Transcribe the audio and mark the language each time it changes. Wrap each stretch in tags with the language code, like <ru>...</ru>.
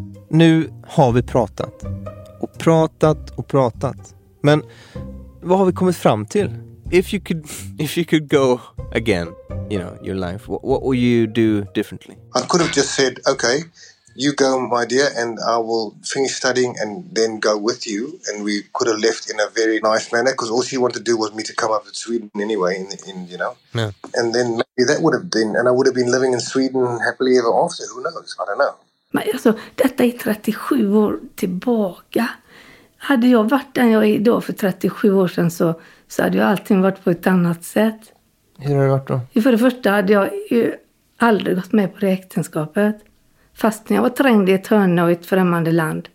<sv>Nu har vi pratat. Och pratat och pratat. Men vad har vi kommit fram till?</sv> <en>If you could go again, you know, your life, what would you do differently? I could have just said, okay, you go, my dear, and I will finish studying and then go with you. And we could have left in a very nice manner, because all she wanted to do was me to come up to Sweden anyway, in you know. Yeah. And then maybe that would have been, and I would have been living in Sweden happily ever after. Who knows? I don't know.</en> <sv>Men alltså, detta är 37 år tillbaka. Hade jag varit den jag är idag för 37 år sedan så hade jag allting varit på ett annat sätt. Hur har det varit då? För det första hade jag ju aldrig gått med på det äktenskapet. Fast när jag var trängd i ett hörn och ett främmande land.</sv>